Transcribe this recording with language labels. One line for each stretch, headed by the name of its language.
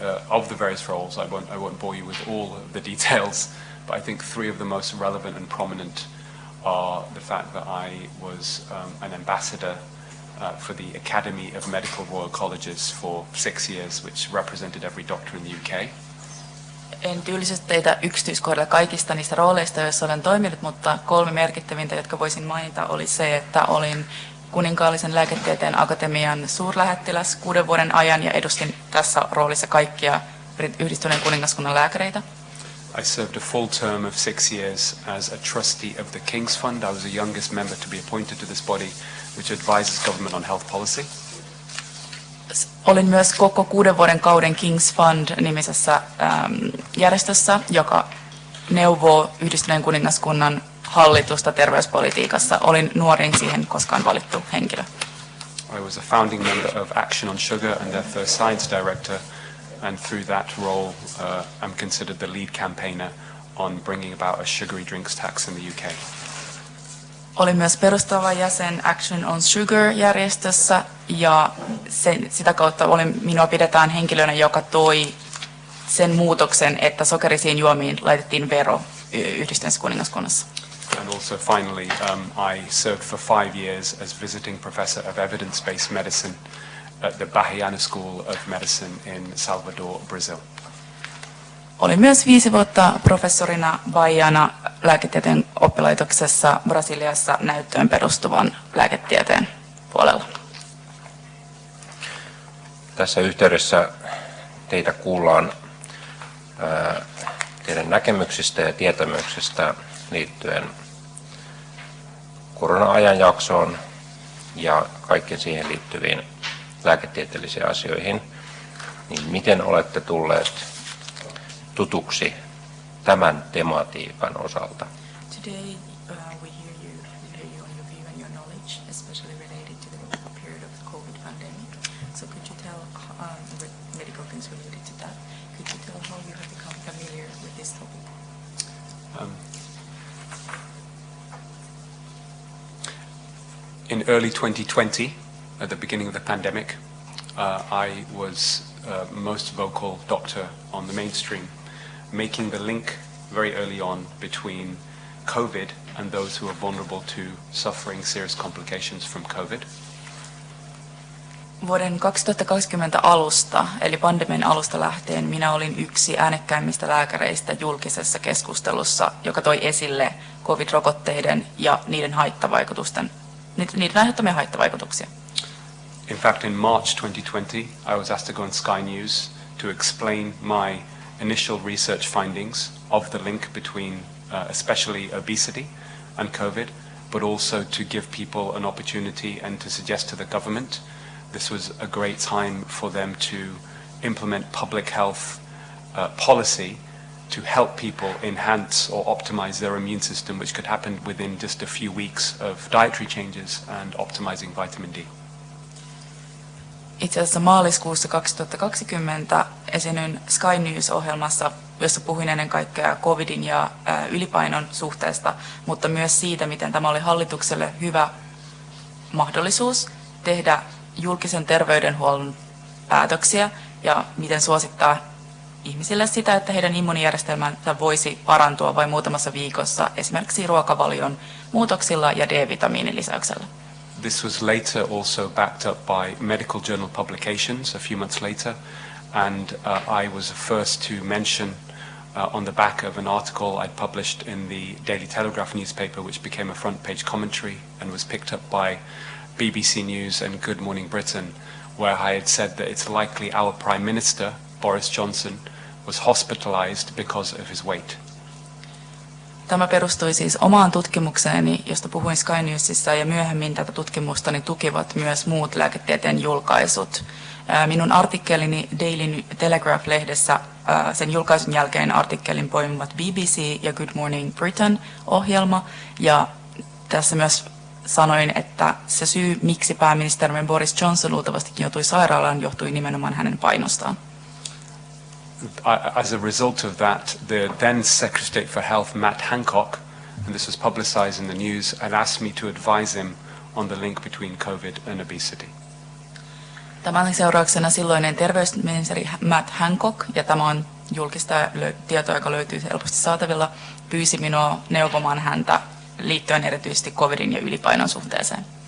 English: Of the various roles, I won't bore you with all the details, but I think three of the most relevant and prominent are the fact that I was an ambassador for the Academy of Medical Royal Colleges for 6 years, which represented every doctor in the UK.
Finnish: En tyylisesti teitä yksityiskohdalla kaikista niistä rooleista, joissa olen toiminut, mutta kolme merkittävintä, jotka voisin mainita, oli se, että olin kuninkaallisen lääketieteen akatemian suurlähettiläs 6 vuoden ajan ja edustin tässä roolissa kaikkia yhdistyneen kuningaskunnan lääkäreitä.
English: I served a full term of 6 years as a trustee of the King's Fund. I was the youngest member to be appointed to this body, which advises government on health policy.
Finnish: Olin myös koko 6 vuoden kauden King's Fund-nimisessä järjestössä, joka neuvoo yhdistyneen kuningaskunnan hallitusta terveyspolitiikassa. Olin nuorin siihen koskaan valittu henkilö.
English: I was a founding member of Action on Sugar and their first science director, and through that role I'm considered the lead campaigner on bringing about a sugary drinks tax in the UK.
Finnish: Olin myös perustava jäsen Action on Sugar-järjestössä, ja sitä kautta minua pidetään henkilönä, joka toi sen muutoksen, että sokerisiin juomiin laitettiin vero yhdistyneessä kuningaskunnassa.
English: And also finally, I served for 5 years as visiting professor of evidence-based medicine at the Bahiana School of Medicine in Salvador, Brazil.
Finnish: Olin myös 5 vuotta professorina Bahiana lääketieteen oppilaitoksessa Brasiliassa näyttöön perustuvan lääketieteen puolella. Tässä yhteydessä teitä kuullaan teidän näkemyksistä ja tietämyksistä liittyen korona-ajanjaksoon ja kaikkien siihen liittyviin lääketieteellisiin asioihin, niin miten olette tulleet tutuksi tämän tematiikan osalta?
English: Today we hear you, on your view and your knowledge, especially related to the period of the COVID pandemic. So could you tell the medical things related to that? Could you tell how you have become familiar with this topic? In early 2020, at the beginning of the pandemic, I was a most vocal doctor on the mainstream, making the link very early on between COVID and those who are vulnerable to suffering serious complications from COVID.
Finnish: Vuoden 2020 alusta, eli pandemian alusta lähtien, minä olin yksi äänekkäimmistä lääkäreistä julkisessa keskustelussa, joka toi esille COVID-rokotteiden ja niiden haittavaikutusten. Niiden aiheuttamia haittavaikutuksia.
English: In fact, in March 2020, I was asked to go on Sky News to explain my initial research findings of the link between especially obesity and COVID, but also to give people an opportunity and to suggest to the government this was a great time for them to implement public health policy to help people enhance or optimize their immune system, which could happen within just a few weeks of dietary changes and optimizing vitamin D.
Finnish: Itse asiassa maaliskuussa 2020 esiinnyin Sky News-ohjelmassa, jossa puhuin ennen kaikkea COVIDin ja ylipainon suhteesta, mutta myös siitä, miten tämä oli hallitukselle hyvä mahdollisuus tehdä julkisen terveydenhuollon päätöksiä ja miten suosittaa ihmisille sitä, että heidän immuunijärjestelmänsä voisi parantua vain muutamassa viikossa esimerkiksi ruokavalion muutoksilla ja D-vitamiinin lisäyksellä.
English: This was later also backed up by medical journal publications a few months later, and I was the first to mention on the back of an article I'd published in the Daily Telegraph newspaper, which became a front page commentary and was picked up by BBC News and Good Morning Britain, where I had said that it's likely our Prime Minister, Boris Johnson, was hospitalized because of his weight.
Finnish: Tämä perustui siis omaan tutkimukseeni, josta puhuin Sky Newsissa, ja myöhemmin tätä tutkimustani tukivat myös muut lääketieteen julkaisut. Minun artikkelini Daily Telegraph-lehdessä, sen julkaisun jälkeen artikkelin poimivat BBC ja Good Morning Britain-ohjelma, ja tässä myös sanoin, että se syy, miksi pääministerimme Boris Johnson luultavastikin joutui sairaalaan, johtui nimenomaan hänen painostaan.
English: As a result of that, the then Secretary for Health, Matt Hancock, and this was publicized in the news, had asked me to advise him on the link between COVID and obesity.
Finnish: Tämän seurauksena silloinen terveysministeri Matt Hancock, ja tämä on julkista tietoa, joka löytyy helposti saatavilla, pyysi minua neuvomaan häntä liittyen erityisesti COVIDin ja ylipainon suhteeseen.